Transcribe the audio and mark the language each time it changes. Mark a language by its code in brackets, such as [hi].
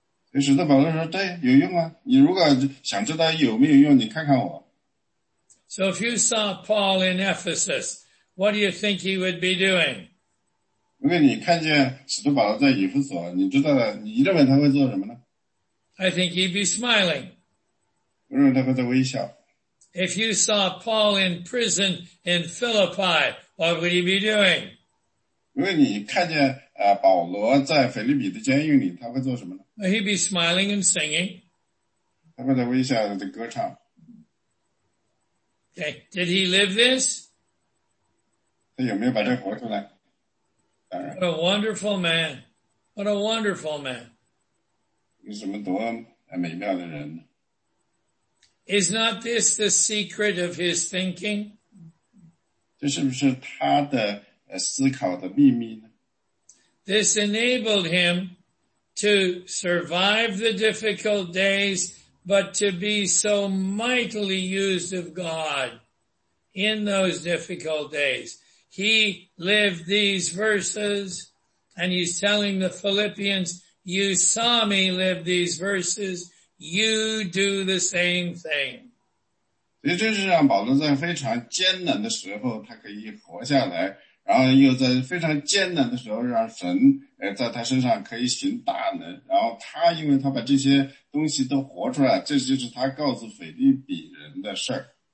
[zh] 所以使徒保罗说，对，有用啊。你如果想知道有没有用，你看看我。 [en] So if you saw Paul in Ephesus, what do you think he would be doing? [zh] 如果你看见使徒保罗在以弗所，你知道了，你认为他会做什么呢？ [en] I think he'd be smiling. [zh] 认为他会在微笑。 [en] If you saw Paul in prison in Philippi, what would he be doing? [zh] 如果你看见保罗在腓立比的监狱里，他会做什么呢？ [en] Well, he'd be smiling and singing. [zh] 他会在微笑的歌唱。 [en] Okay, did he live this? [zh] 他有没有把这活出来？当然。 [en] What a wonderful man. What a wonderful man. [zh] 什么多美妙的人呢？ [en] Is not this the secret of his thinking? [zh] 这是不是他的思考的秘密呢？ [en] This enabled him to survive the difficult days, but to be so mightily used of God in those difficult days. He lived these verses, and he's telling the Philippians,You saw me live these verses, you do the same thing. [zh] 所以这是让保罗在非常艰难的时候他可以活下来，然后又在非常艰难的时候让神在他身上可以行大能，然后他因为他把这些东西都活出来，这就是他告诉腓立比人的事。